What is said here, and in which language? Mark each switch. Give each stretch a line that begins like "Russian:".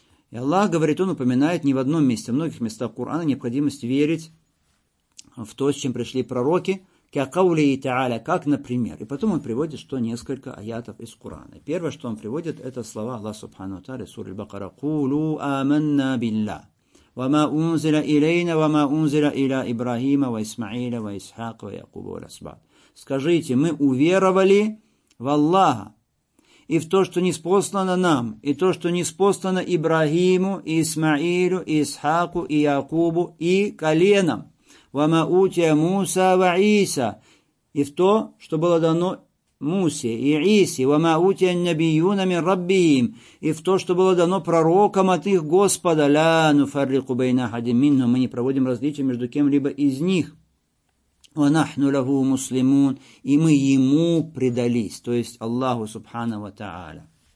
Russian: И Аллах говорит, он упоминает не в одном месте, в многих местах Корана необходимость верить в то, с чем пришли пророки, как, например. И потом он приводит, что несколько аятов из Корана. Первое, что он приводит, это слова Аллаха Субхану Тааля, сура Аль-Бакара,
Arabic: «Кулу аманна билля». وما أنزل إلينا وما أنزل إلى إبراهيم وإسماعيل وإسحاق ويعقوب والأسباط.
Russian: Скажите, мы уверовали в Аллаха и в то, что ниспослано нам, и то, что ниспослано Ибрагиму, Исмаилю, Исхаку, Иакубу и коленам.
Arabic: وما أوتي موسى وعيسى
Russian: и в то, что было дано Мусе и Иисе,
Arabic: وما أوتي النبيون من ربهم,
Russian: и в то, что было дано пророкам от их Господа,
Arabic: لا نفرق بين أحد منهم,
Russian: мы не проводим различия между кем-либо из них,
Arabic: ونحن له مسلمون,
Russian: и мы ему предались, то есть Аллаху Субхана ва Тааля.